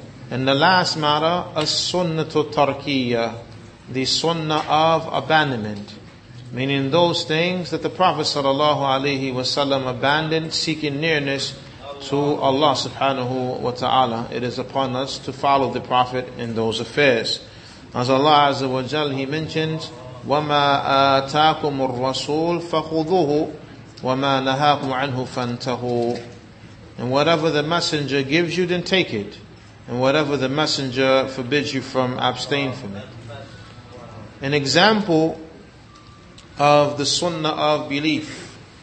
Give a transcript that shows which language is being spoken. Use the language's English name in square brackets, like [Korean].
[English] And the last matter, as-sunnatu tarkiyah, the sunnah of abandonment, meaning those things that the Prophet sallallahu alayhi wasallam abandoned seeking nearness to Allah subhanahu wa ta'ala. It is upon us to follow the Prophet in those affairs. As Allah Azza wa Jal, he mentions, [Arabic] وَمَا آتَاكُمُ الرَّسُولُ فَخُذُوهُ وَمَا نَهَاكُمْ عَنْهُ فَانْتَهُوا. [English] And whatever the messenger gives you, then take it. And whatever the messenger forbids you from, abstain from it. An example of the sunnah of belief.